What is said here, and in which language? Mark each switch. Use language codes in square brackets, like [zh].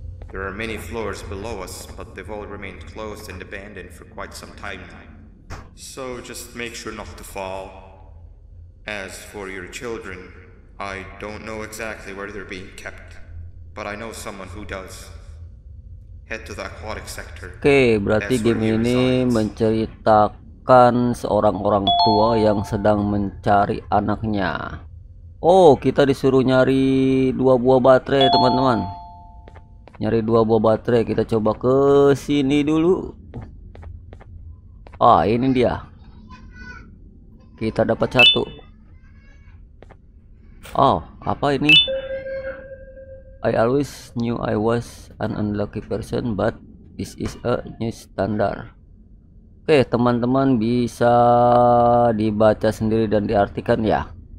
[en] There are many floors below us, but they've all remained closed and abandoned for quite some time now. So just make sure not to fall. As for your children, I don't know exactly where they're being kept, but I know someone who does. [id] Oke, berarti game ini menceritakan seorang orang tua yang sedang mencari anaknya. Oh, kita disuruh nyari dua buah baterai, teman-teman. Nyari dua buah baterai, kita coba ke sini dulu. Ah, ini dia. Kita dapat satu. Oh, apa ini? [en] I always knew I was an unlucky person, but this is a new standard. [id] Oke, teman-teman bisa dibaca sendiri dan diartikan ya.